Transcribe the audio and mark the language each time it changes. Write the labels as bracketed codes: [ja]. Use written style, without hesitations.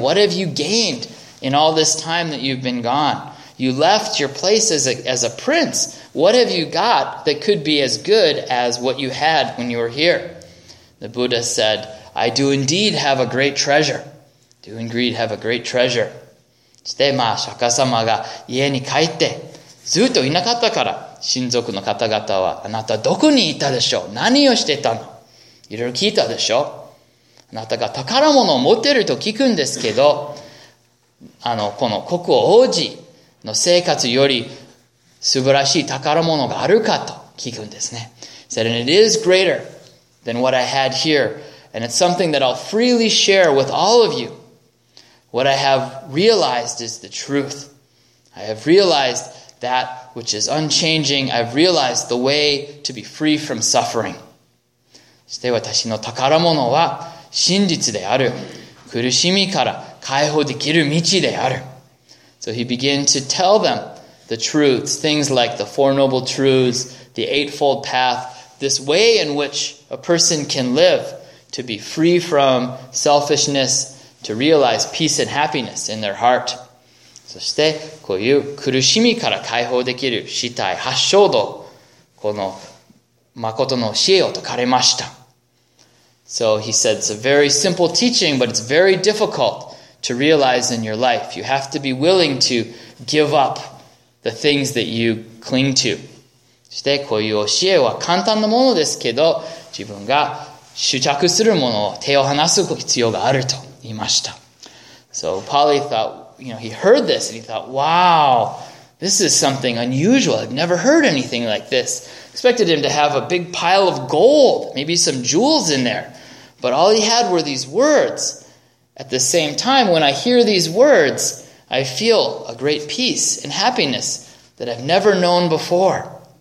[en] What have you gained in all this time that you've been gone? You left your place as a prince. What have you got that could be as good as what you had when you were here? The Buddha said, I do indeed have a great treasure. Do and greed have a great treasure? [ja] して、まあ、釈迦様が家に帰って、ずっといなかったから、親族の方々は、あなたどこにいたでしょう？何をしてたの？いろいろ聞いたでしょ？あなたが宝物を持ってると聞くんですけど、この国王王子の生活より素晴らしい宝物があるかと聞くんですね。 [en] Said, and it is greater than what I had here, and it's something that I'll freely share with all of you. What I have realized is the truth. I have realized that which is unchanging. I've realized the way to be free from suffering. [ja] そして私の宝物は真実である。苦しみから解放できる道である。 [en] So he began to tell them the truths, things like the Four Noble Truths, the Eightfold Path, this way in which a person can live to be free from selfishness, to realize peace and happiness in their heart. [ja] そしてこういう苦しみから解放できる死体八正道、この誠の教えを説かれました。 [en] So he said, it's a very simple teaching, but it's very difficult to realize in your life. You have to be willing to give up the things that you cling to. [ja] そしてこういう教えは簡単なものですけど、自分が執着するものを手を離す必要があると言いました。 [en] So Pali thought, you know, he heard this and he thought, wow, this is something unusual. I've never heard anything like this. Expected him to have a big pile of gold, maybe some jewels in there. But all he had were these words. At the same time, when I hear these words, I feel a great peace and happiness that I've never known before.